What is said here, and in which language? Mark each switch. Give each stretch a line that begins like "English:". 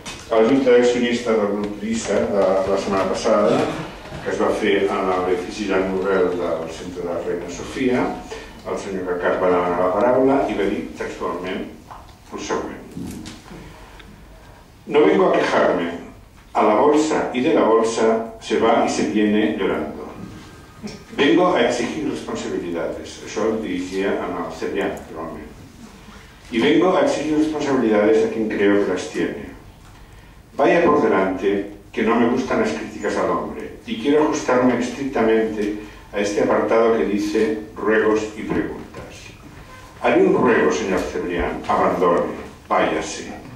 Catalan: A la junta d'accionista del grup Prisa de la setmana passada, que es va fer a l'edifici Jean Morel del centre de la Reina Sofia, el senyor Carcar va demanar la paraula i va dir textualment el següent.
Spanish: No vengo a quejarme. A la bolsa y de la bolsa se va y se viene llorando. Vengo a exigir responsabilidades.
Catalan: Això ho dirigia en el Cebrià, naturalment.
Spanish: Y vengo a exigir responsabilidades a quien creo que las tiene. Vaya por delante que no me gustan las críticas al hombre y quiero ajustarme estrictamente a este apartado que dice ruegos y preguntas. Hay un ruego, señor Cebrián, abandone, váyase.